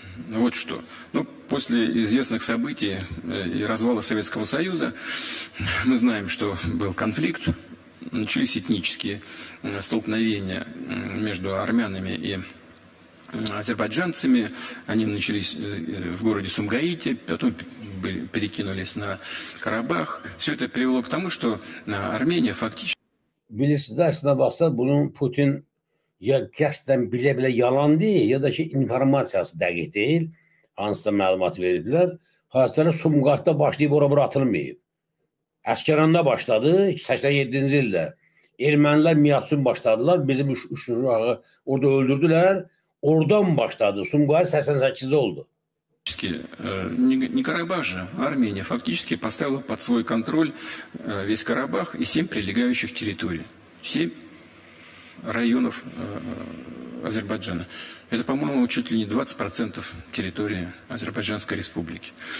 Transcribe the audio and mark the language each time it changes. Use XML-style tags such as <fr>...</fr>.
<ru>Вот что. Ну, после известных событий и развала Советского Союза, мы знаем, что был конфликт, начались этнические столкновения между армянами и азербайджанцами, они начались в городе Сумгаите, потом перекинулись на Карабах. Все это привело к тому, что Армения фактически...</ru> <az>Bilirsiniz, əslində baxsa, bunun Putin ya qəsdən bilə-bilə yalan deyil, ya da ki, informasiyası dəqiq deyil, hansısa məlumat verirlər. Hazırda Sumqayıtda başlayıb, ora-bura atılmayıb. Əsgəranda başladı, 87-ci ildə. Ermənilər Miyasun başladılar, bizim üçüncü orada öldürdülər. Oradan başladı, Sumqayıt 88-də oldu.</az> <ru>Не Карабах же, а Армения фактически поставила под свой контроль весь Карабах и 7 прилегающих территорий, 7 районов Азербайджана. Это, по-моему, чуть ли не 20% территории Азербайджанской республики.</ru>